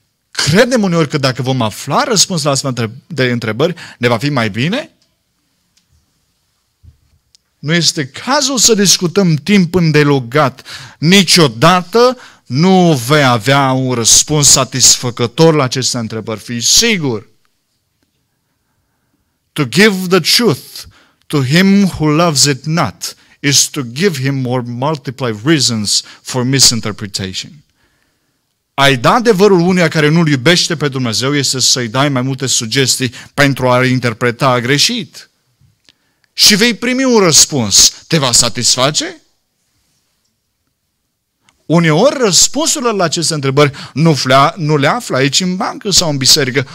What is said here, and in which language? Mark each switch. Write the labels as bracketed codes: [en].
[ro] Credem uneori că dacă vom afla răspuns la astfel de întrebări, ne va fi mai bine? Nu este cazul să discutăm timp îndelungat. Niciodată nu vei avea un răspuns satisfăcător la aceste întrebări. Fii sigur. [en] To give the truth to him who loves it not is to give him more multiplied reasons for misinterpretation. [ro] A-i da adevărul unuia care nu-L iubește pe Dumnezeu este să-i dai mai multe sugestii pentru a-L interpreta greșit. Și vei primi un răspuns. Te va satisface? Uneori răspunsurile la aceste întrebări nu le afli aici în bancă sau în biserică.